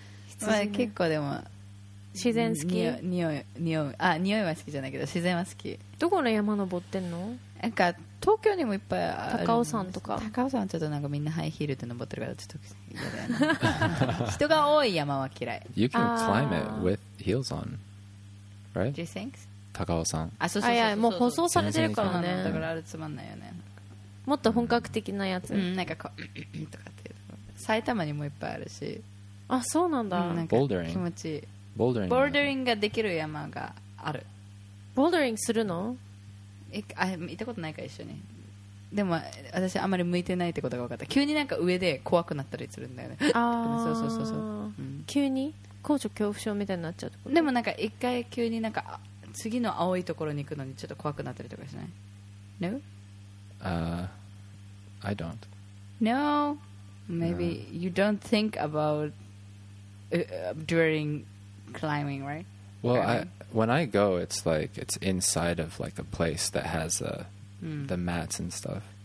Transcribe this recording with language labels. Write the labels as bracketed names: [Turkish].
[Japanese] 羊、まあ、結構でも自然好き匂いは好きじゃないけど自然は好きどこの山登ってんのなんか東京にもいっぱいある高尾山とか高尾山ちょっとなんかみんなハイヒールで登ってるからちょっと嫌だよね人が多い山は嫌い [English] You can climb it with heels on Right? Do you think? [Japanese] 高尾山あそうそうそうそうあいやもう舗装されてるからねだからあれつまんないよねもっと本格的なやつ、うん、なんかこうとかって埼玉にもいっぱいあるしあそうなんだ、うん、なんか気持ちいいボルダリング、ボルダリングができる山があるボルダリングするの行ったことないか一緒にでも私あまり向いてないってことが分かった急になんか上で怖くなったりするんだよねああそうそうそうそう、うん、急に高所恐怖症みたいになっちゃうってことでもなんか一回急になんか次の青いところに行くのにちょっと怖くなったりとかしない [English] No? I don't No Maybe you don't think aboutduring climbing, right? Well, climbing. When I go, it's like it's inside of like a place that has the mats and stuff.